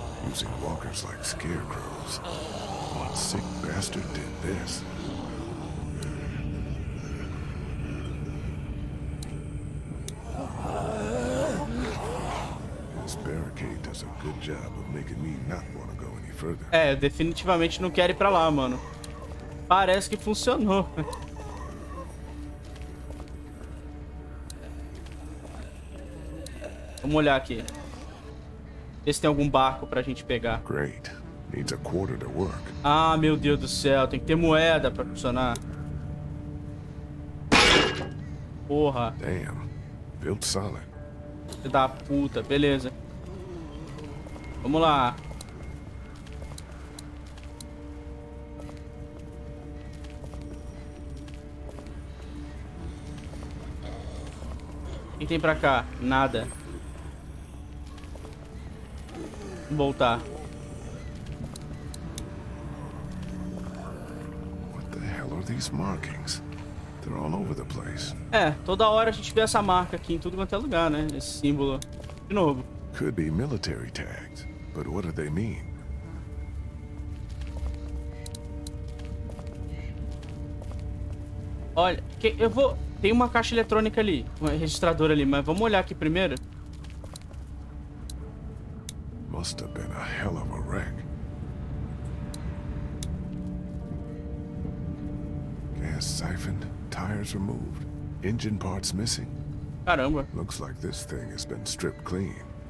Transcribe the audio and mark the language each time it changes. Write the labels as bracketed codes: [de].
[en] Using walkers like scarecrows. What sick bastard did this? This barricade does a good job of making me not want to go any further. [pt] É, definitivamente não quero ir pra lá, mano. Parece que funcionou. Vamos olhar aqui. Ver se tem algum barco pra gente pegar. [en] Great. Needs a quarter to work. [pt] Ah, meu Deus do céu, tem que ter moeda pra funcionar. Porra. [en] Damn. Built solid. [pt] Filho da puta, beleza. Vamos lá. O que tem pra cá? Nada. Voltar. [en] What the hell are these markings? They're all over the place. [pt] É, toda hora a gente vê essa marca aqui em tudo quanto é lugar, né? Esse símbolo de novo. [en] Could be military tags, but what do they mean? [pt] Olha, que eu vou, tem uma caixa eletrônica ali, um registrador ali, mas vamos olhar aqui primeiro. [en] Must have been a hell of a wreck. Gas siphoned, tires removed, engine parts missing. [pt] Caramba. [en] Looks like this thing has been stripped clean.